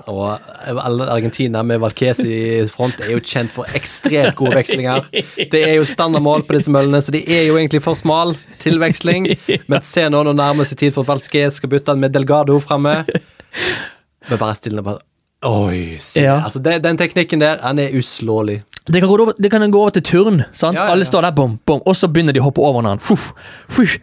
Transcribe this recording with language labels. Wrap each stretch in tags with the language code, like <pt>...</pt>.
<no>Og Argentina med Valkes i front er jo kjent for ekstremt gode vekslinger. Det er jo standardmål på disse møllene, så de er jo egentlig for smal tilveksling. Men se nå, nå nærmer seg tid for at Valkes skal bytte den med Delgado fremme. Men bare stille den på. Oj, se. Ja.</no> <sv>Alltså den tekniken där, han är uslålig.</sv> <no>Det kan gå over til turn, sant? Ja, ja, ja. Alle står der, bom, bom, og så begynner de å hoppe over hverandre.</no>